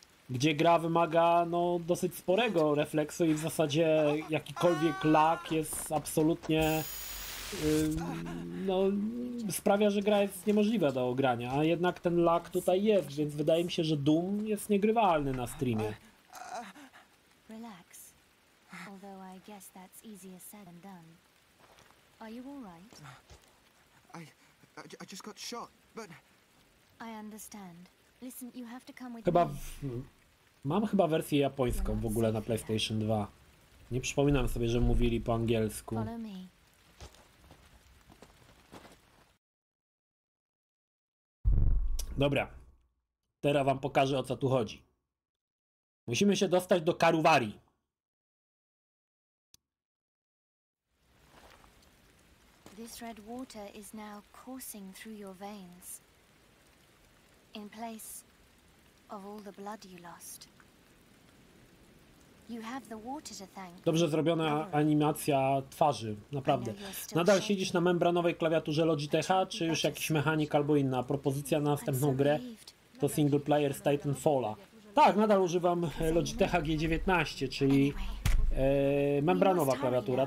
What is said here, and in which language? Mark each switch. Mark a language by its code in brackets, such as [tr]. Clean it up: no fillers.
[pl] Gdzie gra wymaga no dosyć sporego refleksu i w zasadzie jakikolwiek lag jest absolutnie no sprawia, że gra jest niemożliwa do ogrania, a jednak ten lag tutaj jest, więc wydaje mi się, że Doom jest niegrywalny na streamie. [en] Relax. All Although I guess that's easier said than done. Are you all right? I just got shot, but... I understand. Listen, you have to come with [pl] chyba... Mam chyba wersję japońską w ogóle na PlayStation 2. Nie przypominam sobie, że mówili po angielsku. Dobra. Teraz wam pokażę, o co tu chodzi. Musimy się dostać do Karuwari. [en] This red water is now coursing through your veins. In place of all the blood you lost. You have the water to thank. [pl] Dobrze zrobiona animacja twarzy, naprawdę. Nadal siedzisz na membranowej klawiaturze Logitecha, czy już jakiś mechanik albo inna? Propozycja na następną grę to single player z Titanfalla. Tak, nadal używam Logitecha G19, czyli membranowa klawiatura.